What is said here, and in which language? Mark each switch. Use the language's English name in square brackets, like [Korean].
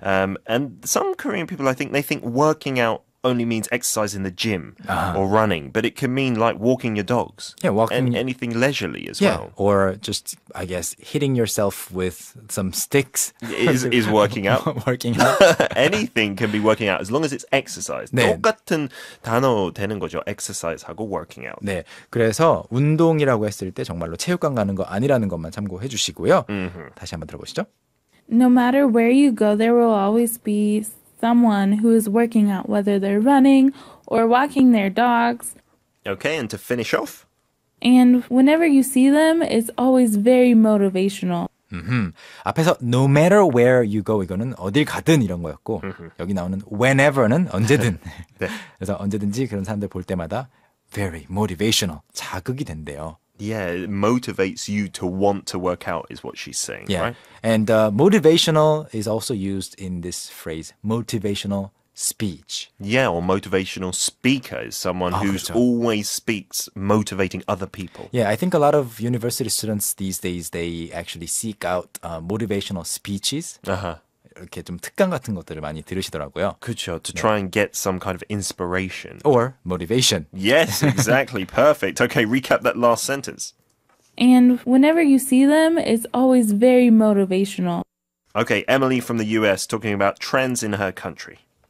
[English] And some Korean people, I think, they think working out only means exercise in the gym or running, but it can mean like walking your dogs. Yeah, walking. And anything leisurely as yeah, well. Or just, I guess, hitting yourself with some sticks. Is working out. Working out. Anything can be working out as long as it's exercise. [Korean] 네. 똑같은 단어 되는 거죠. Exercise하고 [English] working out. [Korean] 네. 그래서 운동이라고 했을 때 정말로 체육관 가는 거 아니라는 것만 참고해 주시고요. Mm-hmm. 다시 한번 들어보시죠. [English] No matter where you go, there will always be someone who is working out, whether they're running or walking their dogs. Okay, and to finish off? And whenever you see them, it's always very motivational. [Korean] Mm-hmm. 앞에서 [English] no matter where you go, [Korean] 이거는 어딜 가든 이런 거였고, mm-hmm. 여기 나오는 whenever는 언제든. 네. 그래서 언제든지 그런 사람들 볼 때마다 [English] very motivational, [Korean] 자극이 된대요. [English] Yeah, it motivates you to want to work out is what she's saying, yeah. right? And motivational is also used in this phrase, motivational speech. Yeah, or motivational speaker is someone who always speaks motivating other people. Yeah, I think a lot of university students these days, they actually seek out motivational speeches. Uh-huh. [Korean] 이렇게 좀 특강 같은 것들을 많이 들으시더라고요. 그렇죠. [English] To try and get some kind of inspiration. Or motivation. Yes, exactly. Perfect. Okay, recap that last sentence. And whenever you see them, it's always very motivational. Okay, Emily from the US talking about trends in her country.